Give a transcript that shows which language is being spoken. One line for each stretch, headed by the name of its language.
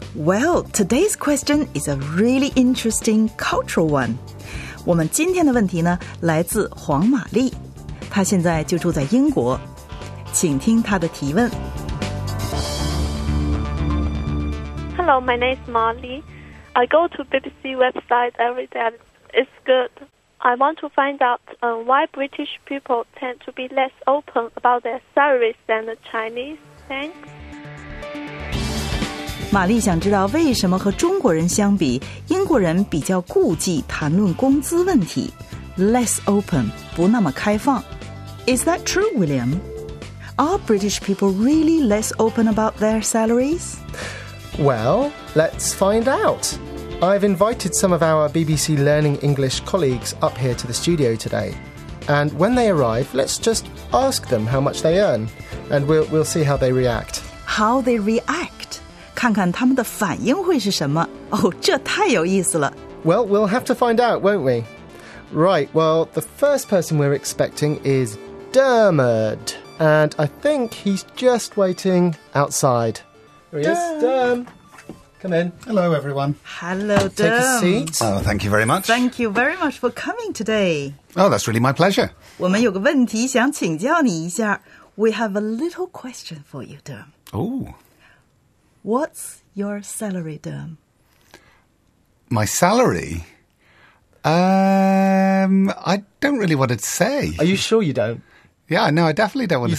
English: Well, today's question is a really interesting cultural one.
Chinese: 我们今天的问题呢，来自黄玛丽，她现在就住在英国，请听她的提问。
English: Hello, my name is Molly. I go to BBC website every day. It's good. I want to find out、why British people tend to be less open about their salaries than the Chinese. Thanks.
Chinese: 玛丽想知道为什么和中国人相比，英国人比较顾忌谈论工资问题。
English: Less open,
Chinese: 不那么开放。
English: Is that true, William? Are British people really less open about their salaries? Well, let's find out. I've invited some of our BBC Learning English colleagues up here to the studio today. And when they arrive, let's just ask them how much they earn. And we'll see how they react. How they react?
Chinese: 看看他们的反应会是什么。哦，这太有意思了。
English: Well, we'll have to find out, won't we? Right, well, the first person we're expecting is Dermot. And I think he's just waiting outside. Here he is, Derm. Come in. Hello, everyone. Hello, Derm. Take a seat. Oh, thank you very much. Thank you very much for coming today. Oh, that's really my pleasure.
Chinese: 我们有个问题想请教你一下。
English: We have a little question for you, Derm. Oh. What's your salary, Derm? My salary? I don't really want to say. Are you sure you don't? Yeah, no, I definitely don't want you to